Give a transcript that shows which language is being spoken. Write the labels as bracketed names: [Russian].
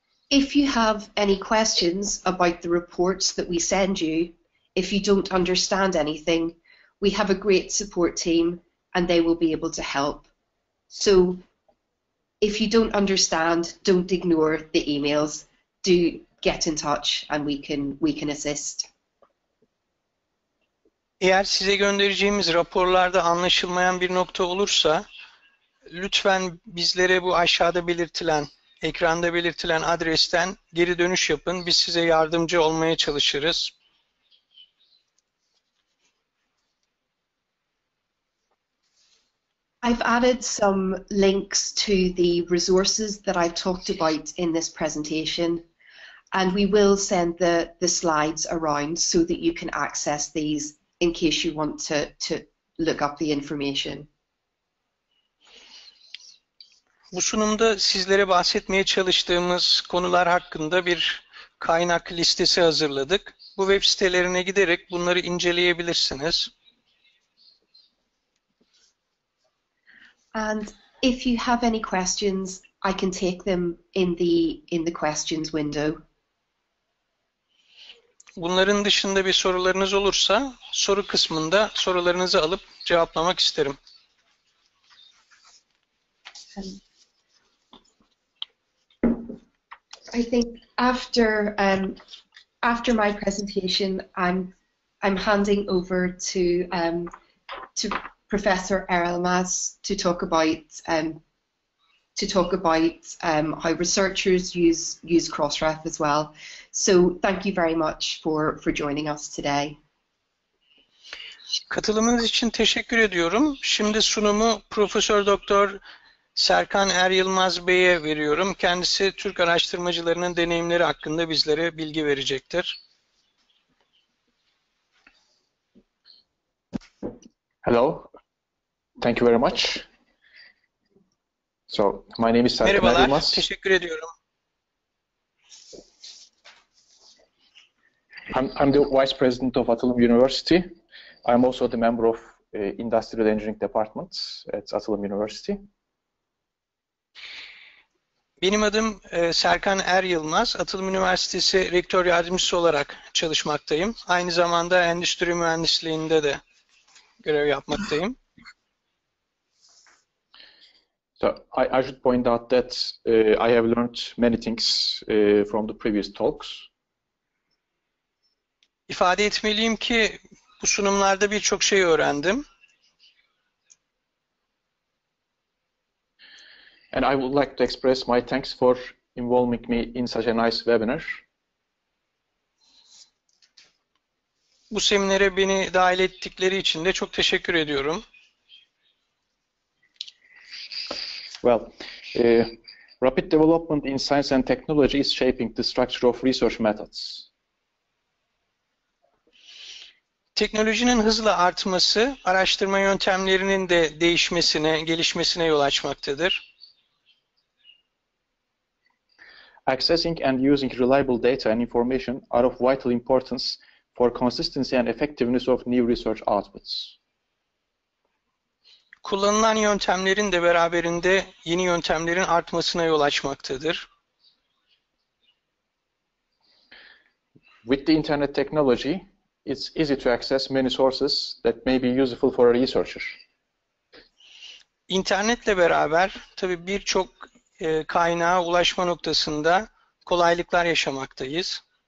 [English] If you have any questions about the reports that we send you, if you don't understand anything, we have a great support team and they will be able to help. So if you don't understand, don't ignore the emails. Do get in touch and we can assist. [Turkish] Eğer size göndereceğimiz raporlarda anlaşılmayan bir nokta olursa, lütfen bizlere bu aşağıda belirtilen, ekranda belirtilen adresten geri dönüş yapın. Biz size yardımcı olmaya çalışırız. [English] I've added some links to the resources that I've talked about in this presentation, and we will send the slides around so that you can access these in case you want to look up the information. [Turkish] Bu sunumda sizlere bahsetmeye çalıştığımız konular hakkında bir kaynak listesi hazırladık. Bu web sitelerine giderek bunları inceleyebilirsiniz. [English] And if you have any questions, I can take them in the questions window. [Turkish] Bunların dışında bir sorularınız olursa, soru kısmında sorularınızı alıp cevaplamak isterim. [English] I think after my presentation, I'm handing over to Professor Erelmaz to talk about how researchers use Crossref as well. So thank you very much for joining us today. [Turkish] Katılımınız için teşekkür ediyorum. Şimdi sunumu Profesör Doktor Serkan Er Yılmaz Bey'e veriyorum. Kendisi Türk araştırmacılarının deneyimleri hakkında bizlere bilgi verecektir. [English] Hello. Thank you very much. So, my name is Serkan Yılmaz. [Turkish] Merhabalar, teşekkür ediyorum. [English] I'm the Vice President of Atılım University. I'm also the member of Industrial Engineering Department at Atılım University. [Turkish] Benim adım Serkan Er Yılmaz. Atılım Üniversitesi Rektör Yardımcısı olarak çalışmaktayım. Aynı zamanda Endüstri Mühendisliğinde de görev yapmaktayım. [English] So I should point out that I have learned many things from the previous talks. [Turkish] İfade etmeliyim ki bu sunumlarda birçok şey öğrendim. [English] And I would like to express my thanks for involving me in such a nice webinar. [Turkish] Bu seminere beni dahil ettikleri için de çok teşekkür ediyorum. [English] Well, rapid development in science and technology is shaping the structure of research methods. [Turkish] Teknolojinin hızla artması, araştırma yöntemlerinin de değişmesine, gelişmesine yol açmaktadır. [English] Accessing and using reliable data and information are of vital importance for consistency and effectiveness of new research outputs. [Turkish] Kullanılan yöntemlerin de beraberinde yeni yöntemlerin artmasına yol açmaktadır. [English] With the internet technology, it's easy to access many sources that may be useful for a researcher. [Turkish] İnternetle beraber tabii birçok kaynağa ulaşma noktasında kolaylıklar yaşamaktayız.